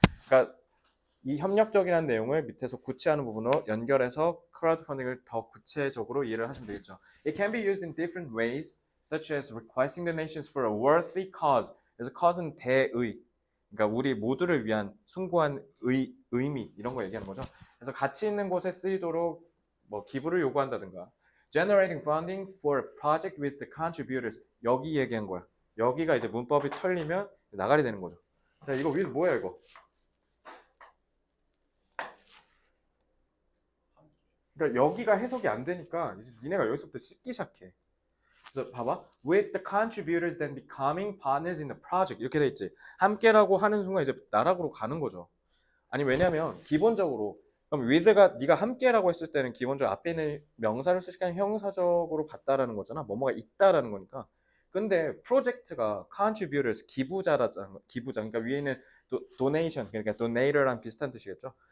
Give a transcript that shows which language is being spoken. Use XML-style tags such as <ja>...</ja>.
<ko>그러니까 이 협력적이라는 내용을 밑에서 구체하는 부분으로 연결해서 크라우드펀딩을 더 구체적으로 이해를 하시면 되겠죠.</ko> <en>It can be used in different ways, such as requesting donations for a worthy cause.</en> <ko>그래서 cause는 대의. 그러니까 우리 모두를 위한 숭고한 의미 이런 거 얘기하는 거죠. 그래서 가치 있는 곳에 쓰이도록 뭐 기부를 요구한다든가.</ko> <en>Generating funding for a project with the contributors.</en> <ko>여기 얘기한 거야. 여기가 이제 문법이 틀리면 나가리 되는 거죠. 자, 이거 with 뭐야 이거? 그러니까 여기가 해석이 안 되니까 이제 니네가 여기서부터 씻기 시작해. 그래서 봐봐.</ko> <en>With the contributors then becoming partners in the project.</en> <ko>이렇게 돼 있지. 함께라고 하는 순간 이제 나락으로 가는 거죠. 아니 왜냐면 기본적으로 그럼 with가 네가 함께라고 했을 때는 기본적으로 앞에 있는 명사를 쓰니까 형사적으로 갔다라는 거잖아. 뭐뭐가 있다라는 거니까. 근데 프로젝트가 contributors 기부자 그러니까 위에 있는 donation 그러니까 donator랑 비슷한 뜻이겠죠.</ko>